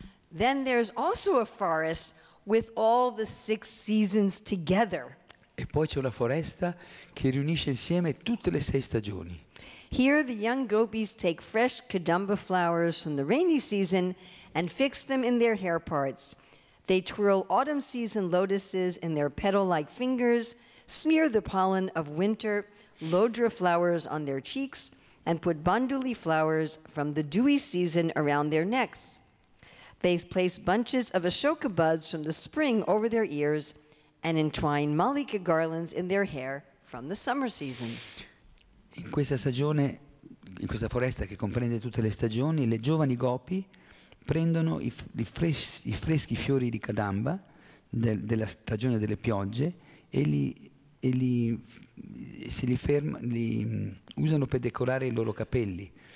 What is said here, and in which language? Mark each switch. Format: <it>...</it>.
<en>Then there's also a forest with all the six seasons together.</en> <it>E poi c'è una foresta che riunisce insieme tutte le sei stagioni.</it> <en>Here the young gopis take fresh kadamba flowers from the rainy season and fix them in their hair parts. They twirl autumn season lotuses in their petal-like fingers, smear the pollen of winter lodra flowers on their cheeks, and put banduli flowers from the dewy season around their necks. They place bunches of ashoka buds from the spring over their ears and entwine mallika garlands in their hair from the summer season.</en> <it>In questa stagione, in questa foresta che comprende tutte le stagioni, le giovani gopi prendono i freschi fiori di kadamba della stagione delle piogge e li usano per decorare i loro capelli.</it>